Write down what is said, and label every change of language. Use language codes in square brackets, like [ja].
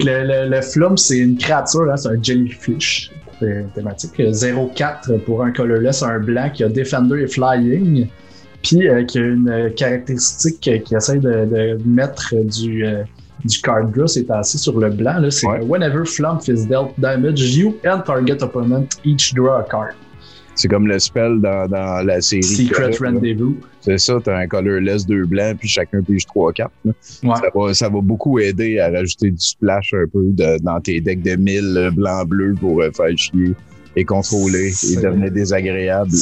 [fr] Le FLUMPH, c'est une créature, là, c'est un jellyfish thématique. 0-4 pour un colorless, un blanc qui a Defender et Flying. Puis qui a une caractéristique qui essaie de mettre du card draw, c'est assis sur le blanc. Là, c'est ouais. [en] Whenever FLUMPH is dealt damage, you and target opponent each draw a card. [fr] C'est comme le spell dans la série Secret Rendezvous. C'est ça, t'as un colorless 2 blancs, puis chacun pige 3-4. Ouais. Ça va beaucoup aider à rajouter du splash un peu dans tes decks de 1000 blancs-bleus pour faire chier et contrôler et devenir désagréable.